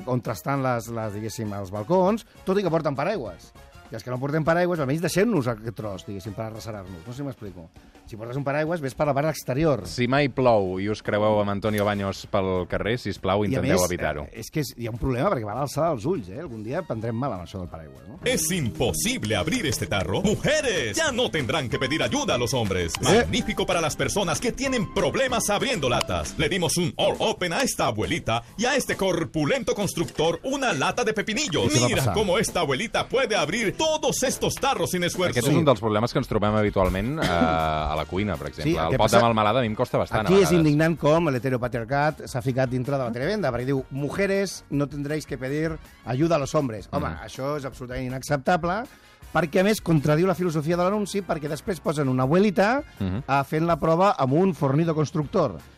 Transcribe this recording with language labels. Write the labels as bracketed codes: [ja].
[ca] on estan les diguéssim, els balcons, tot i que porten paraigües. I els que no portem paraigües, almenys deixem-nos aquest tros, diguéssim, per arrecerar-nos. No sé si m'explico. Si portes un paraigües, ves per la part exterior. Si mai plou i us creueu amb Antonio Baños pel carrer, sisplau, intenteu evitar-ho. I a més, és que hi ha un problema perquè va a l'alçada dels ulls, eh? Algun dia prendrem mal amb això del paraigües, no? [es] ¡Es imposible abrir este tarro! ¡Mujeres! ¡Ya no tendrán que pedir ayuda a los hombres! ¡Magnífico para las personas que tienen problemas abriendo latas! Le dimos un all open a esta abuelita y a este corpulento constructor una lata de pepinillos. Mira cómo esta abuelita puede abrir todos estos tarros sin esfuerzo. [ca] Aquest és un dels problemes que ens trobem habitualment a la cuina, per exemple. Sí, el pot de melmelada a mi em costa bastant. Aquí és indignant com l'heteropatriarcat s'ha ficat dintre de la televenda, perquè diu, [es] mujeres, no tendréis que pedir ajuda a los hombres. [ca] Home, això és absolutament inacceptable, perquè a més contradiu la filosofia de l'anunci, perquè després posen [es] una abuelita [ca] fent la prova amb un [es] fornido constructor.